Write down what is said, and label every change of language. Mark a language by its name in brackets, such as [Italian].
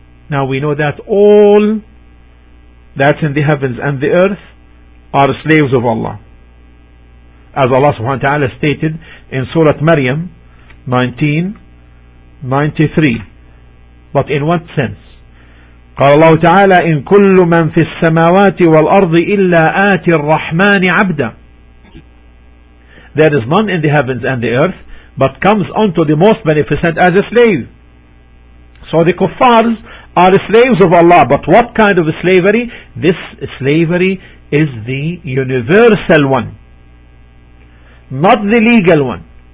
[English] Now we know that all that's in the heavens and the earth are slaves of Allah, as Allah subhanahu wa ta'ala stated in Surah Maryam 19:93. But in what sense? [Arabic] قال الله تعالى إن كل من في السماوات والأرض إلا آتي الرحمن عبدا. [English] There is none in the heavens and the earth but comes unto the most beneficent as a slave. So the kuffars are slaves of Allah. But what kind of slavery? This slavery is the universal one, not the legal one.